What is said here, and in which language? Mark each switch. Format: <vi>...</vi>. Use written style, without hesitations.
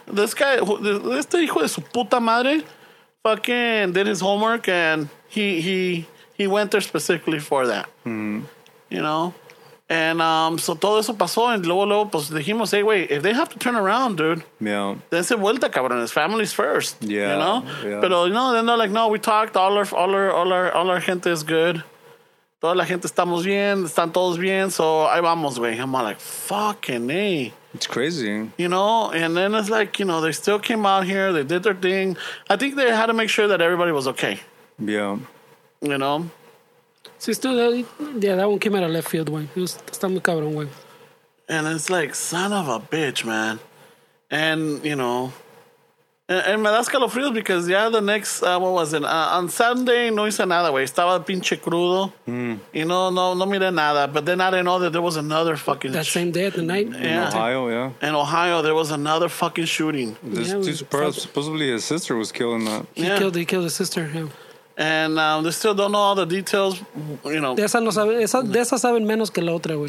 <en>This guy,</en> <es>este hijo de su puta madre,</es> <en>fucking did his homework and he went there specifically for that, you know? And so</en> <es>todo eso pasó,</es> <en>and</en> <es>luego, pues dijimos,</es> <en>hey, wait, if they have to turn around, dude. Yeah. Then</en> <es>se vuelta, cabrón,</es> <en>his family's first. Yeah. You know? But yeah. You know, then they're like, no, we talked, all our gente is good.</en> <es>Toda la gente estamos bien, están todos bien, so ahí vamos, güey.</es> <en>I'm like, fucking A. It's crazy. You know, and then it's like, you know, they still came out here, they did their thing. I think they had to make sure that everybody was okay. Yeah. You know? See, still, yeah, that one came out of left field, güey. It was,</en> <es>está muy cabrón, güey.</es> <en>And it's like, son of a bitch, man. And, you know... And</en> <es>me da escalofríos</es> <en>because, yeah, the next, what was it? On Sunday,</en> <es>no hice nada, güey. Estaba pinche crudo.</es> <en>You know,</en> <es>no miré nada.</es> <en>But then I didn't know that there was another fucking... That same day at the night? Yeah. In Ohio, yeah. In Ohio, there was another fucking shooting. Supposedly his sister was killing that. He killed his sister, yeah. And they still don't know all the details, you know.</en> <es>De esa saben menos que la otra, güey.</es>